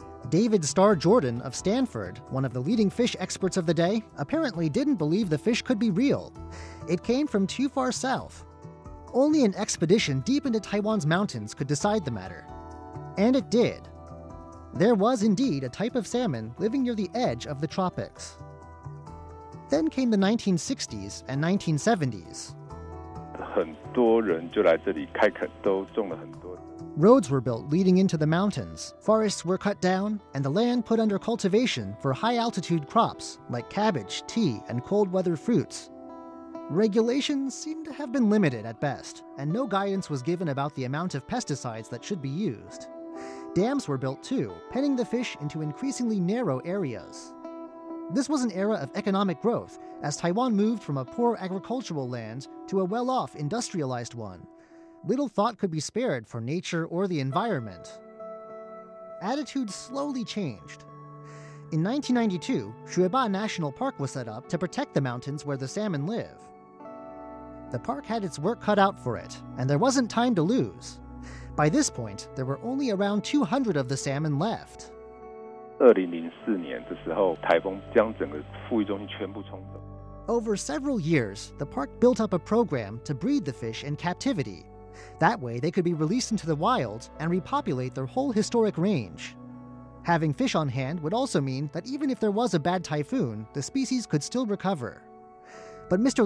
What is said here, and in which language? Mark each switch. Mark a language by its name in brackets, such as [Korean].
[English] David Starr Jordan of Stanford, one of the leading fish experts of the day, apparently didn't believe the fish could be real. It came from too far south. Only an expedition deep into Taiwan's mountains could decide the matter. And it did. There was indeed a type of salmon living near the edge of the tropics. Then came the 1960s and 1970s. [Chinese] 很多人就来这里开垦，都种了很多。 [English] Roads were built leading into the mountains, forests were cut down, and the land put under cultivation for high-altitude crops like cabbage, tea, and cold-weather fruits. Regulations seemed to have been limited at best, and no guidance was given about the amount of pesticides that should be used. Dams were built too, penning the fish into increasingly narrow areas. This was an era of economic growth, as Taiwan moved from a poor agricultural land to a well-off industrialized one. Little thought could be spared for nature or the environment. Attitudes slowly changed. In 1992, Shueba National Park was set up to protect the mountains where the salmon live. The park had its work cut out for it, and there wasn't time to lose. By this point, there were only around 200 of the salmon left. [Chinese] 2004年的时候，台风将整个富裕中心全部冲走。 [English] Over several years, the park built up a program to breed the fish in captivity. That way, they could be released into the wild and repopulate their whole historic range. Having fish on hand would also mean that even if there was a bad typhoon, the species could still recover. But Mr.